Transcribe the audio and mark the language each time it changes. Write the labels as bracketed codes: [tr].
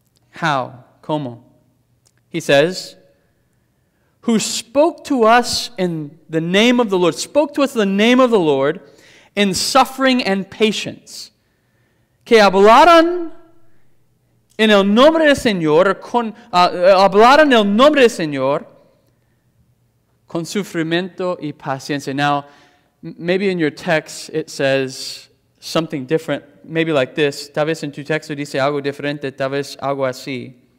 [en] How? ¿Cómo? He says, who spoke to us in the name of the Lord, spoke to us in the name of the Lord in suffering and patience. [es] Que hablaron en el nombre del Señor, hablaron el nombre del Señor con sufrimiento y paciencia. [en] Now, maybe in your text it says something different, maybe like this. [es] Tal vez en tu texto dice algo diferente, tal vez algo así.